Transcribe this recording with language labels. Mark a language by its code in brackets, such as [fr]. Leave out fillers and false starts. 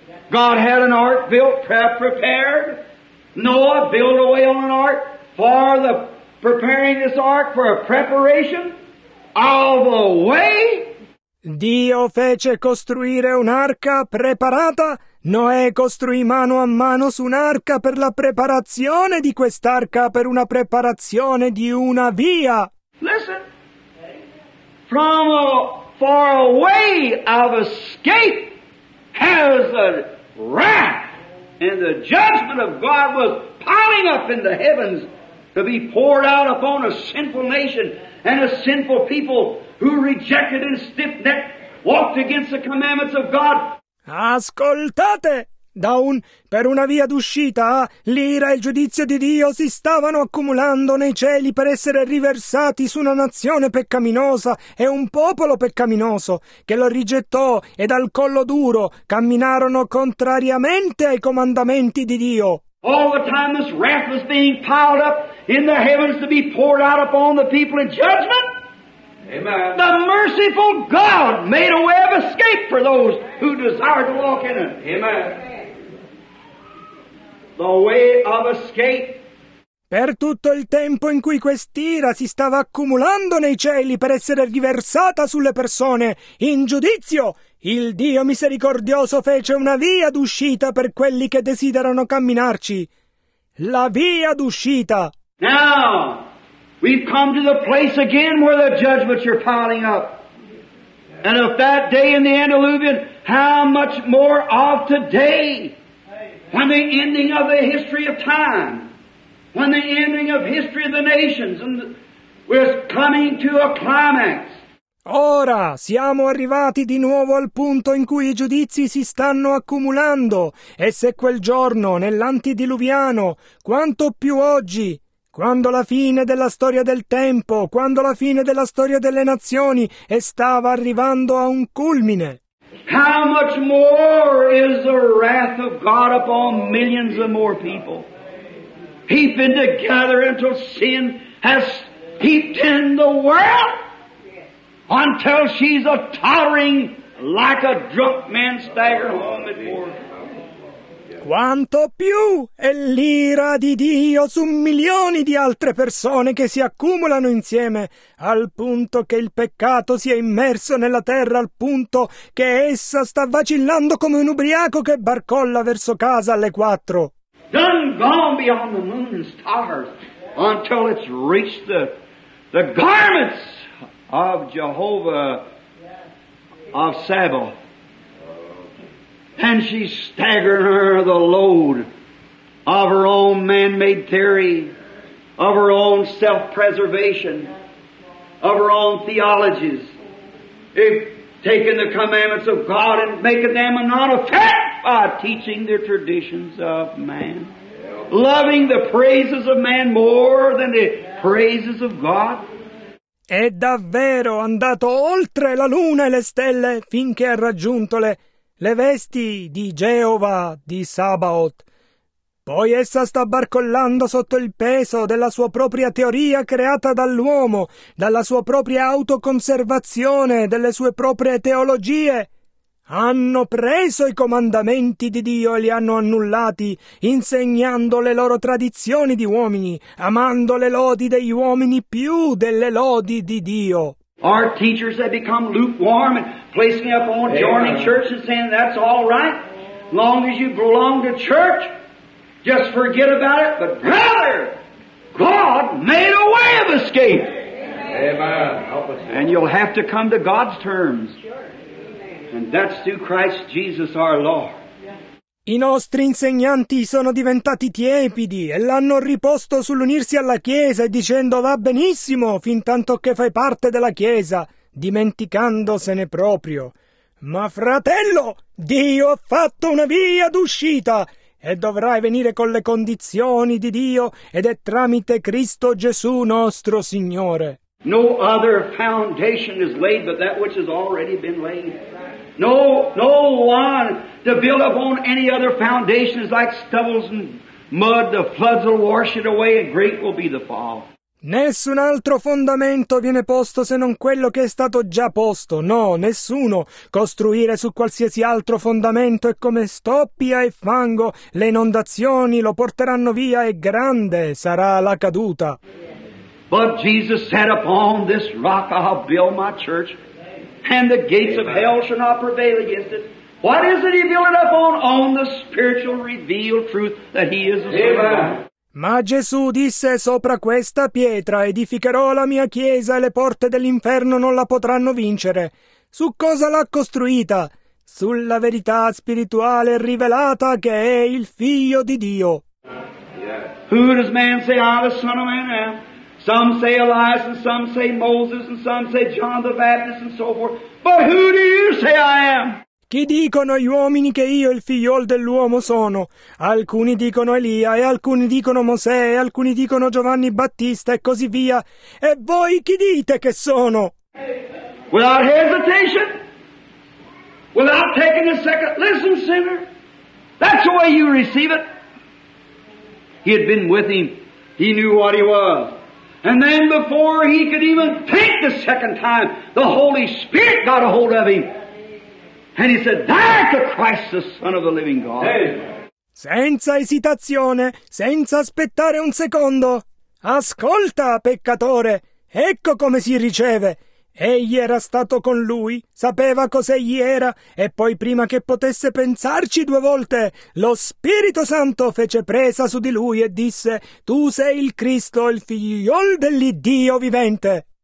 [en] God had an ark built, prepared. Noah built a way on an ark for the preparing this ark for a preparation of a way. [it] Dio fece costruire un'arca preparata. Noè costruì mano a mano su un'arca per la preparazione di quest'arca, per una preparazione di una via. [en] Listen. From a far away of escape has the wrath and the judgment of God was piling up in the heavens to be poured out upon a sinful nation and a sinful people who rejected and stiff-necked walked against the commandments of God. [it] Ascoltate! Per una via d'uscita, l'ira e il giudizio di Dio si stavano accumulando nei cieli per essere riversati su una nazione peccaminosa e un popolo peccaminoso, che lo rigettò e dal collo duro camminarono contrariamente ai comandamenti di Dio. [en] All the time this wrath was being piled up in the heavens to be poured out upon the people in judgment. Amen. The merciful God made a way of escape for those who desire to walk in it. Amen. The way of escape. [it] Per tutto il tempo in cui quest'ira si stava accumulando nei cieli per essere riversata sulle persone in giudizio, il Dio misericordioso fece una via d'uscita per quelli che desiderano camminarci. La via d'uscita. [en] Now, we've come to the place again where the judgments are piling up. And of that day in the antediluvian, how much more of today? When the ending of the history of time, when the ending of history of the nations and was coming to a climax. [it] Ora siamo arrivati di nuovo al punto in cui i giudizi si stanno accumulando. E se quel giorno, nell'antidiluviano, quanto più oggi, quando la fine della storia del tempo, quando la fine della storia delle nazioni stava arrivando a un culmine. [en] How much more is the wrath of God upon millions of more people? Heaping together until sin has heaped in the world until she's a tottering like a drunk man staggered home at morning. [it] Quanto più è l'ira di Dio su milioni di altre persone che si accumulano insieme, al punto che il peccato si è immerso nella terra, al punto che essa sta vacillando come un ubriaco che barcolla verso casa alle 4. [en] Done gone beyond the moon and stars until it's reached the garments of Jehovah of Sabaoth. And she staggered her the load of her own man-made theory, of her own self-preservation, of her own theologies, if taking the commandments of God and making them a non-effect by teaching the traditions of man, loving the praises of man more than the praises of God. [it] È davvero andato oltre la luna e le stelle finché ha raggiunto le vesti di Geova di Sabaoth. Poi essa sta barcollando sotto il peso della sua propria teoria creata dall'uomo, dalla sua propria autoconservazione, delle sue proprie teologie. Hanno preso i comandamenti di Dio e li hanno annullati, insegnando le loro tradizioni di uomini, amando le lodi degli uomini più delle lodi di Dio. [en] Our teachers have become lukewarm and placing up on joining church and saying that's all right. Long as you belong to church, just forget about it. But brother, God made a way of escape. Amen. Amen. And you'll have to come to God's terms. Sure. And that's through Christ Jesus our Lord. [it] I nostri insegnanti sono diventati tiepidi e l'hanno riposto sull'unirsi alla Chiesa e dicendo va benissimo fin tanto che fai parte della Chiesa, dimenticandosene proprio. Ma fratello, Dio ha fatto una via d'uscita e dovrai venire con le condizioni di Dio ed è tramite Cristo Gesù nostro Signore. [en] No other foundation is laid but that which has already been laid. No, no one to build upon any other foundations like stubbles and mud, the floods will wash it away and great will be the fall. [it] Nessun altro fondamento viene posto se non quello che è stato già posto. No, nessuno. Costruire su qualsiasi altro fondamento è come stoppia e fango. Le inondazioni lo porteranno via e grande sarà la caduta. [en] But Jesus said, upon this rock I'll build my church. And the gates of hell shall not prevail against it. What is it he built up on? On the spiritual revealed truth that he is the Son of God. [it] Ma Gesù disse, sopra questa pietra edificherò la mia chiesa e le porte dell'inferno non la potranno vincere. Su cosa l'ha costruita? Sulla verità spirituale rivelata che è il Figlio di Dio. [en] Yeah. Who does man say I'm the Son of Man am? Some say Elias and some say Moses and some say John the Baptist and so forth. But who do you say I am? [it] Chi dicono gli uomini che io il figliol dell'uomo sono? Alcuni dicono Elia e alcuni dicono Mosè e alcuni dicono Giovanni Battista e così via. E voi chi dite che sono? [en] Without hesitation, without taking a second, listen sinner, that's the way you receive it. He had been with him, he knew what he was. And then before he could even think the second time, the Holy Spirit got a hold of him. And he said, that's the Christ, the Son of the living God. Hey. [it] Senza esitazione, senza aspettare un secondo. Ascolta, peccatore, ecco come si riceve. Egli era stato con lui, sapeva cos'egli era, e poi prima che potesse pensarci due volte, lo Spirito Santo fece presa su di lui e disse, tu sei il Cristo, il figliol dell'Iddio vivente.